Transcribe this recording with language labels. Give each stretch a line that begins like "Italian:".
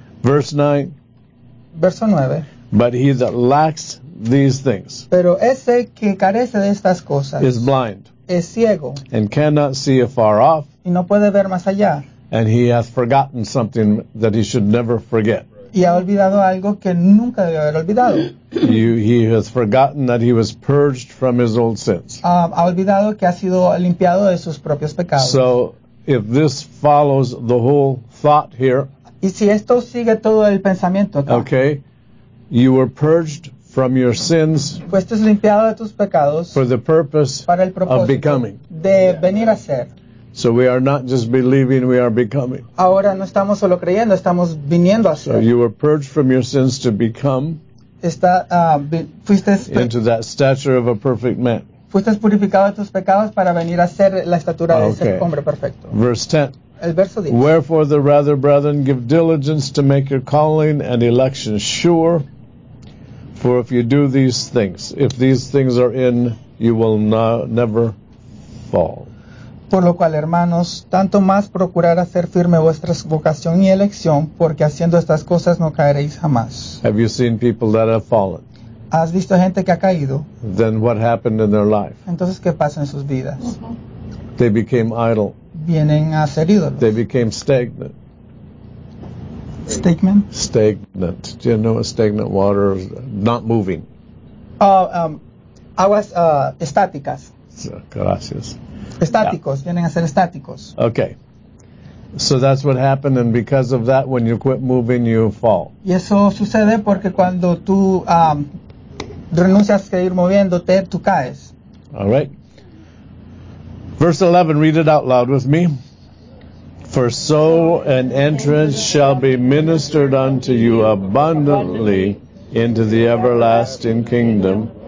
English: Verse 9.
Spanish: Verso 9.
English: But he that lacks these things,
Spanish: pero ese que carece de estas cosas,
English: is blind,
Spanish: es ciego,
English: and cannot see afar off,
Spanish: y no puede ver más allá,
English: and he hath forgotten something that he should never forget.
Spanish: Y ha olvidado algo que nunca debió haber olvidado.
English: He has forgotten that he was purged from his old sins.
Spanish: Ha olvidado que ha sido limpiado de sus propios pecados.
English: So, if this follows the whole thought here,
Spanish: y si esto sigue todo el pensamiento acá,
English: okay, you were purged from your sins,
Spanish: fuiste limpiado de tus pecados,
English: for the purpose,
Spanish: para el propósito
English: of becoming,
Spanish: de venir a ser.
English: So we are not just believing, we are becoming.
Spanish: Ahora no estamos solo creyendo, estamos viniendo a ser.
English: So you were purged from your sins to become,
Spanish: fuiste
English: into that stature of a perfect man.
Spanish: Fuiste purificado de tus pecados para venir a ser la estatura de ser hombre perfecto.
English: Verse 10.
Spanish: el verso 10.
English: Wherefore the rather, brethren, give diligence to make your calling and election sure. For if you do these things, if these things are in, you will never fall.
Spanish: Por lo cual, hermanos, tanto más procurar hacer firme vuestra vocación y elección, porque haciendo estas cosas no caeréis jamás.
English: Have you seen people that have fallen?
Spanish: ¿Has visto gente que ha caído?
English: Then what happened in their life?
Spanish: Entonces, ¿qué pasa en sus vidas?
English: They became idle.
Spanish: Vienen a ser ídolos.
English: They became stagnant. Stagnant? Stagnant. Do you know a stagnant water? Not moving.
Spanish: Aguas estáticas. Gracias. Estáticos, yeah. Vienen a ser estáticos.
English: Okay. So that's what happened, and because of that, when you quit moving, you fall.
Spanish: Y eso sucede porque cuando tú renuncias a ir moviéndote, tú caes.
English: All right. Verse 11, read it out loud with me. For so an entrance shall be ministered unto you abundantly into the everlasting kingdom